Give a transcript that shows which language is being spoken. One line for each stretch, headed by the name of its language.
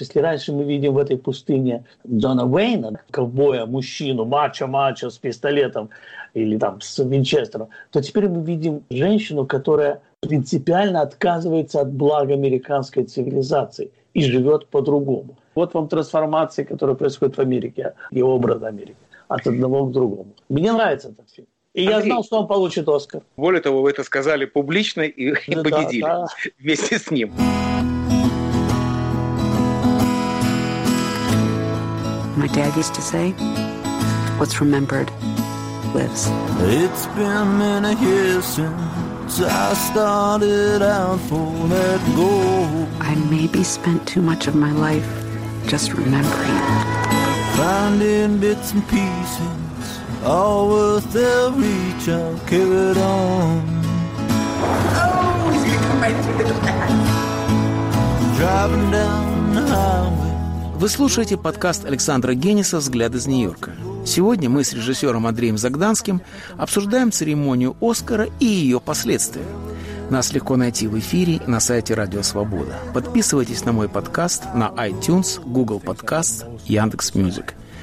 Russian: Если раньше мы видим в этой пустыне Джона Уэйна, ковбоя, мужчину, мачо-мачо с пистолетом или там с винчестером, то теперь мы видим женщину, которая принципиально отказывается от блага американской цивилизации и живет по-другому. Вот вам трансформация, которая происходит в Америке, и образ Америки от одного к другому. Мне нравится этот фильм. И Андрей, я знал, что он получит «Оскар». Более того, вы это сказали публично и, да, и победили, да, вместе с ним.
English: My dad used to say, what's remembered lives. It's been many years since I started out for that goal. I maybe spent too much of my life just remembering. Finding bits and pieces. All worth every child carried on. Oh, he's going to come right through the glass. Driving down the highway.
Russian: Вы слушаете подкаст Александра Генниса «Взгляд из Нью-Йорка». Сегодня мы с режиссером Андреем Загданским обсуждаем церемонию «Оскара» и ее последствия. Нас легко найти в эфире и на сайте «Радио Свобода». Подписывайтесь на мой подкаст на iTunes, Google Podcasts, Яндекс.Мьюзик.